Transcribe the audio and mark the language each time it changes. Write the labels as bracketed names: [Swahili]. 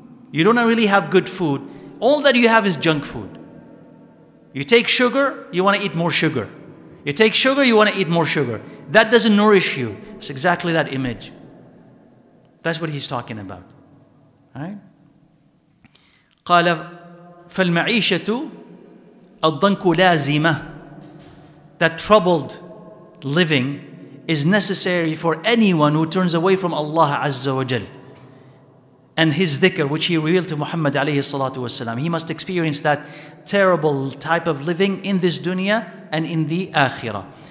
[English] You don't really have good food. All that you have is junk food. You take sugar, you want to eat more sugar. You take sugar, you want to eat more sugar. That doesn't nourish you. It's exactly that image. That's what he's talking about. [Arabic] قال فالمعيشة الضنك لازمة. [English] That troubled living is necessary for anyone who turns away from Allah Azza wa Jal and his dhikr, which he revealed to Muhammad alayhi salatu wasalam. He must experience that terrible type of living in this dunya and in the akhirah.